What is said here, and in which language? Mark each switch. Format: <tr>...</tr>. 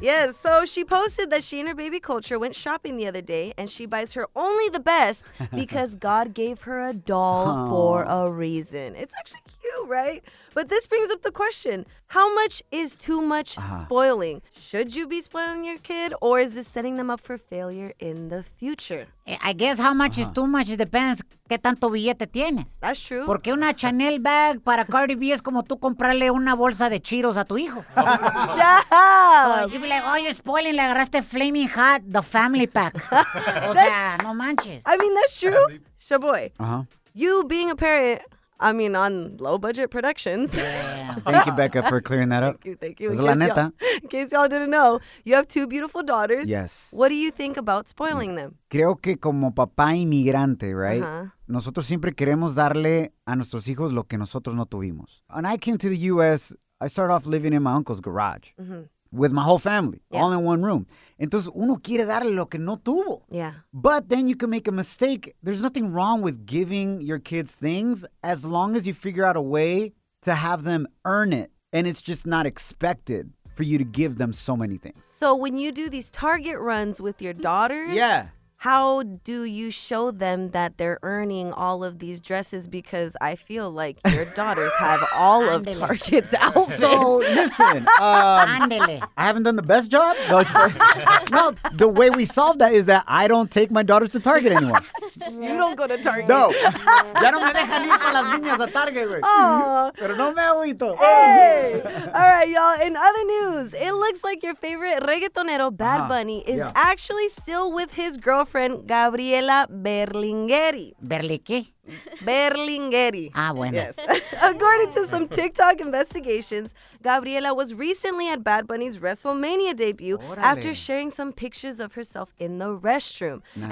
<en>Yes, so she posted that she and her Baby Culture went shopping the other day, and she buys her only the best because God gave her a doll for a reason. It's actually cute. right? But this brings up the question. How much is too much spoiling? Should you be spoiling your kid, or is this setting them up for failure in the future? I guess how much is too much depends qué tanto billete tienes. That's true.</en> <es>Porque una Chanel bag para Cardi B es como tú comprarle una bolsa de Cheetos a tu hijo.</es> <en>Yeah. So you'd be like, oh, you're spoiling. Le agarraste Flaming Hot, the family pack.</en> <es>O sea, no manches.</es> <en>I mean, that's true. Shaboy. You being a parent, I mean, on low-budget productions. Yeah. Thank you, Becca, for clearing that up. Thank you.</en> <es>Es la neta.</es> <en>In case y'all didn't know, you have two beautiful daughters. Yes. What do you think about spoiling them?</en> <es>Creo que como papá inmigrante, right? Nosotros siempre queremos darle a nuestros hijos lo que nosotros no tuvimos.</es> <en>When I came to the U.S., I started off living in my uncle's garage with my whole family, all in one room.</en> <es>Entonces, uno quiere darle lo que no tuvo.</es> <en>Yeah. But then you can make a mistake. There's nothing wrong with giving your kids things as long as you figure out a way to have them earn it. And it's just not expected for you to give them so many things. So when you do these Target runs with your daughters, yeah, how do you show them that they're earning all of these dresses? Because I feel like your daughters have all of Target's outfits. So, listen. I haven't done the best job. No, the way we solve that is that I don't take my daughters to Target anymore. You don't go to Target. No.</en> <es>Ya no me dejan ir con las niñas a Target, güey. Pero no me aguito.</es> <en>Hey. All right, y'all. In other news, it looks like your favorite reggaetonero, Bad Bunny, is actually still with his girlfriend. Girlfriend Gabriela Berlingueri. ¿Berlique? Berlingueri.</en> <es>Ah, bueno.</es> <en>Yes. According to some TikTok investigations, Gabriela was recently at Bad Bunny's WrestleMania debut after sharing some pictures of herself in the restroom. Nice.</en>